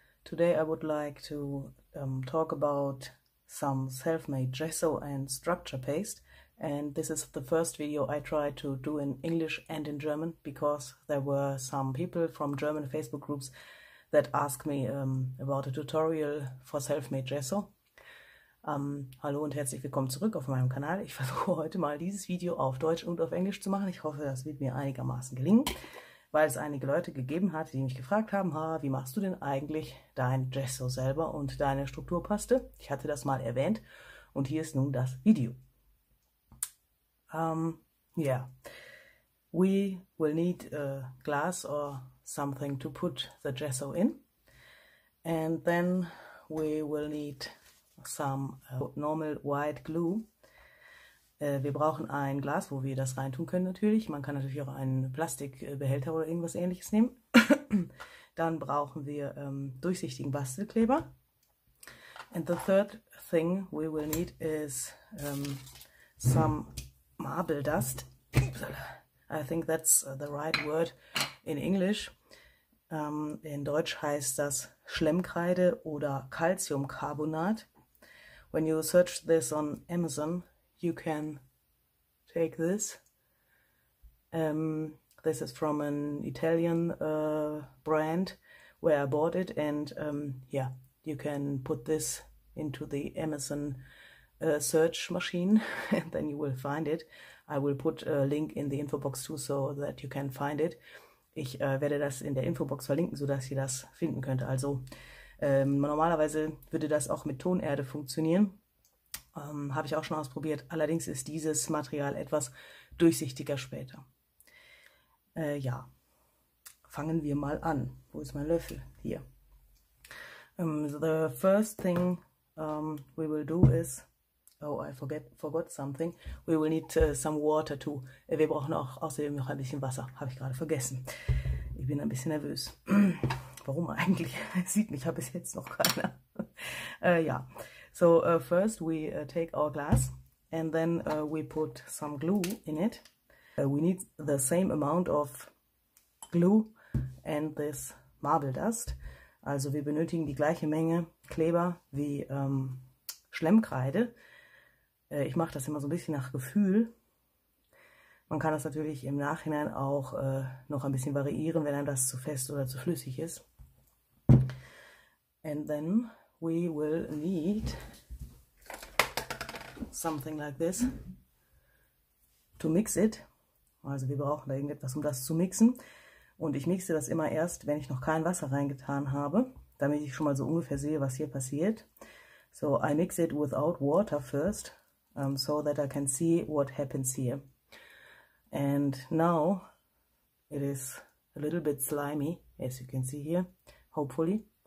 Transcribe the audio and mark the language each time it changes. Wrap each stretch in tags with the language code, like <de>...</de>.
<en>Today I would like to talk about some self-made gesso and structure paste. And this is the first video I tried to do in English and in German because there were some people from German Facebook groups that asked me about a tutorial for self-made gesso.</en> <de>Hallo und herzlich willkommen zurück auf meinem Kanal. Ich versuche heute mal dieses Video auf Deutsch und auf Englisch zu machen. Ich hoffe, das wird mir einigermaßen gelingen. Weil es einige Leute gegeben hat, die mich gefragt haben, ha, wie machst du denn eigentlich dein Gesso selber und deine Strukturpaste? Ich hatte das mal erwähnt und hier ist nun das Video.</de> <en>We will need a glass or something to put the gesso in. And then we will need some normal white glue.</en> <de>Wir brauchen ein Glas, wo wir das reintun können natürlich. Man kann natürlich auch einen Plastikbehälter oder irgendwas Ähnliches nehmen. Dann brauchen wir durchsichtigen Bastelkleber.</de> <en>And the third thing we will need is some marble dust. I think that's the right word in English.</en> <de>In Deutsch heißt das Schlemmkreide oder Calciumcarbonat.</de> <en>When you search this on Amazon, you can take this. This is from an Italian brand where I bought it, and you can put this into the Amazon search machine and then you will find it. I will put a link in the Infobox too, so that you can find it.</en> <de>Ich werde das in der Infobox verlinken, sodass ihr das finden könnt. Also normalerweise würde das auch mit Tonerde funktionieren. Habe ich auch schon ausprobiert. Allerdings ist dieses Material etwas durchsichtiger später. Fangen wir mal an. Wo ist mein Löffel? Hier.</de> <en>The first thing we will do is, oh, I forgot something. We will need some water too.</en> <de>Wir brauchen auch außerdem noch ein bisschen Wasser. Habe ich gerade vergessen. Ich bin ein bisschen nervös. Warum eigentlich? Sieht mich ja bis jetzt noch keiner.</de> <en>So first we take our glass and then we put some glue in it. We need the same amount of glue and this marble dust.</en> <de>Also wir benötigen die gleiche Menge Kleber wie Schlemmkreide. Ich mache das immer so ein bisschen nach Gefühl. Man kann das natürlich im Nachhinein auch noch ein bisschen variieren, wenn einem das zu fest oder zu flüssig ist.</de> <en>And then we will need something like this to mix it.</en> <de>Also wir brauchen da irgendetwas, um das zu mixen. Und ich mixe das immer erst, wenn ich noch kein Wasser reingetan habe, damit ich schon mal so ungefähr sehe, was hier passiert.</de> <en>So I mix it without water first, so that I can see what happens here. And now it is a little bit slimy, as you can see here, hopefully.</en>